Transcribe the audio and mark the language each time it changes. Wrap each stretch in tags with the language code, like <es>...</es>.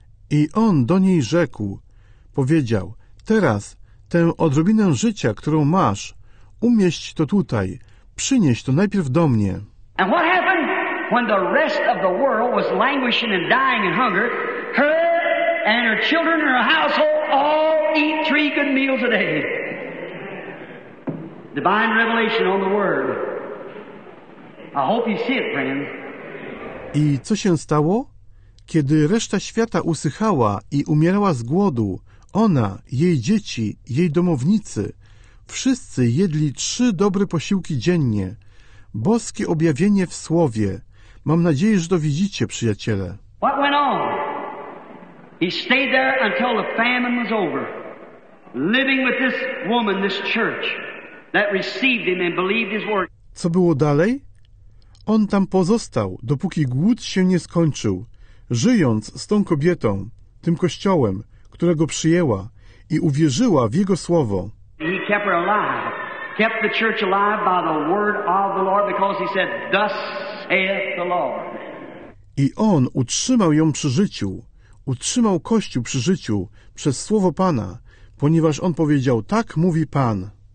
<pl>I on do niej rzekł, powiedział, teraz tę odrobinę życia, którą masz, umieść to tutaj, przynieś to najpierw do mnie.</pl> <en>And what happened when the rest of the world was languishing and dying in hunger? And her children and her household all eat three good meals a day. Divine revelation on the word. I hope you see it, friend.</en> <pl>I co się stało? Kiedy reszta świata usychała i umierała z głodu, ona, jej dzieci, jej domownicy, wszyscy jedli trzy dobre posiłki dziennie. Boskie objawienie w słowie. Mam nadzieję, że to widzicie, przyjaciele.</pl> <en>What went on? He stayed there until the famine was over, living with this woman, this church, that received him and believed his word.</en> <pl>Co było dalej? On tam pozostał, dopóki głód się nie skończył, żyjąc z tą kobietą, tym kościołem, którego przyjęła i uwierzyła w jego słowo.</pl> <en>He kept her alive, kept the church alive by the word of the Lord, because he said, "Thus saith the Lord."</en> <pl>I on utrzymał ją przy życiu. Utrzymał Kościół przy życiu przez słowo Pana, ponieważ on powiedział, tak mówi Pan.</pl>